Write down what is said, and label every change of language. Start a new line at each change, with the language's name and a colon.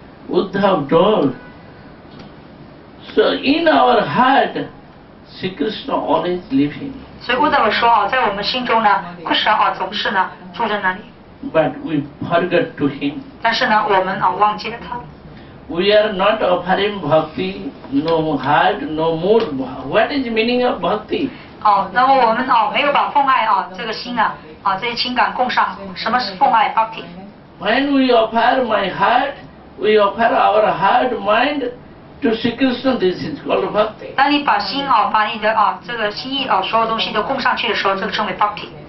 English: Uddhav told, so in our heart, Sri Krishna always living.
Chinese: So Uddhav 说在我们心中呢 ，Krishna 总是呢住在那里。
English: But we forget to him.
Chinese: 但是呢，我们忘记了他。
English: we are not offering bhakti, no heart, no mood. What is the meaning of bhakti?
Chinese: 那么我们没有把奉爱这个心这些情感供上。什么是奉爱 bhakti?
English: When we offer my heart, we offer our heart, mind to Sri Krishna, this is called bhakti.
Chinese: 当你把心把你的这个心意所有东西都供上去的时候，这个称为 bhakti。